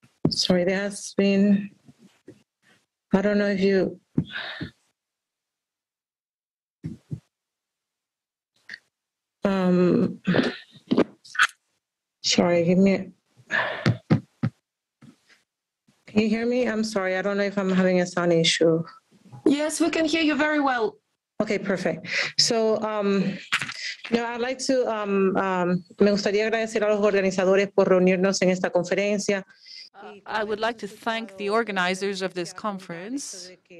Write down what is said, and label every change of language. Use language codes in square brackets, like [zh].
[en] Sorry, there has been, I don't know if you, sorry, give me, can you hear me? I'm sorry, I don't know if I'm having a sound issue. Yes, we can hear you very well. Okay, perfect. So, I'd like to, [es] me gustaría agradecer a los organizadores por reunirnos en esta conferencia. [en] I would like to thank the organizers of this conference.